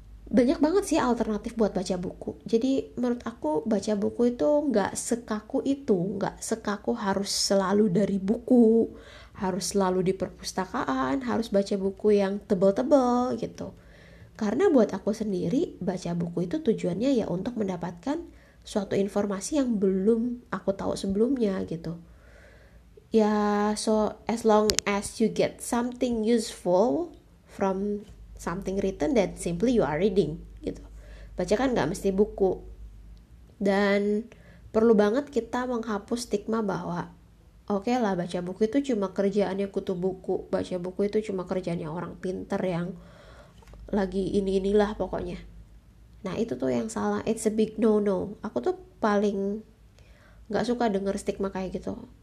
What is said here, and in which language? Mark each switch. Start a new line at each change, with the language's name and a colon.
Indonesian: Banyak banget sih alternatif buat baca buku. Jadi menurut aku baca buku itu gak sekaku itu, gak sekaku harus selalu dari buku, harus selalu di perpustakaan, harus baca buku yang tebel-tebel gitu. Karena buat aku sendiri, baca buku itu tujuannya ya untuk mendapatkan suatu informasi yang belum aku tahu sebelumnya gitu.
English: Ya, so as long as you get something useful from something written, then simply you are reading gitu.
Indonesian: Baca kan gak mesti buku. Dan perlu banget kita menghapus stigma bahwa oke lah, baca buku itu cuma kerjaannya kutu buku. Baca buku itu cuma kerjaannya orang pinter yang lagi ini-inilah pokoknya. Nah, itu tuh yang salah.
English: It's a big no-no.
Indonesian: Aku tuh paling gak suka denger stigma kayak gitu.